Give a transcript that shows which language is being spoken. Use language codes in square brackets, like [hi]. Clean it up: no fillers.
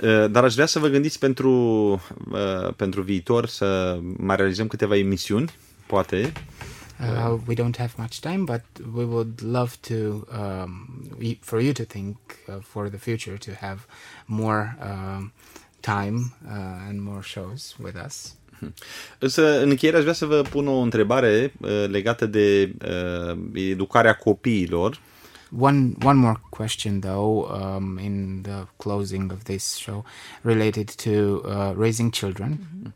[ro] Dar aș vrea să vă gândiți pentru viitor să mai realizăm câteva emisiuni, poate. [en] We don't have much time, but we would love to for you to think for the future to have more time and more shows with us. [ro] Însă, în încheiere, aș vrea să vă pun o întrebare legată de educarea copiilor. [en] One more question though, in the closing of this show, related to raising children.